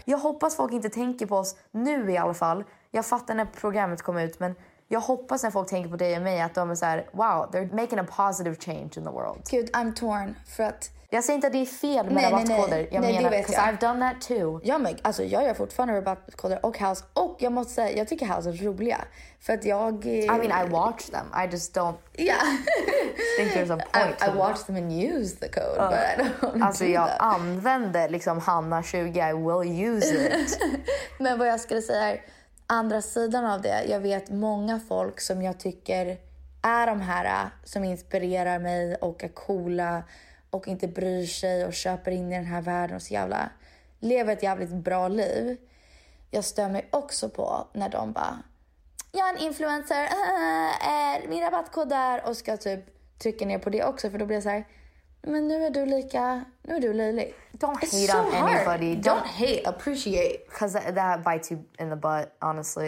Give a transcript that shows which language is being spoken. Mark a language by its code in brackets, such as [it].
[sv] Jag hoppas folk inte tänker på oss nu i alla fall. Jag fattar när programmet kom ut, men jag hoppas när folk tänker på dig och mig att de är så här, [en] wow, they're making a positive change in the world. [sv] Gud, [en] I'm torn [sv] för att jag säger inte att det är fel med rabattkoder. Nej, menar, [en] because I've done that too. [sv] Ja, men alltså jag gör fortfarande rabattkoder och house. Och jag måste säga, jag tycker house är roliga. För att jag [en] I mean, I watch them. I just don't think there's a point. I watch them and use the code, but I don't [sv] alltså, jag [en] them. [sv] Använder liksom [en] Hanna 20, I will use it. [sv] Men vad jag skulle säga är, andra sidan av det, jag vet många folk som jag tycker är de här som inspirerar mig och är coola och inte bryr sig och köper in i den här världen och så jävla lever ett jävligt bra liv. Jag stör mig också på när de bara, jag är en influencer, min rabattkod där, och ska typ trycka ner på det också, för då blir det så här, men nu är du lika, nu är du löjlig. [en] Don't hate on anybody. Don't hate, appreciate. Because that bites you in the butt, honestly.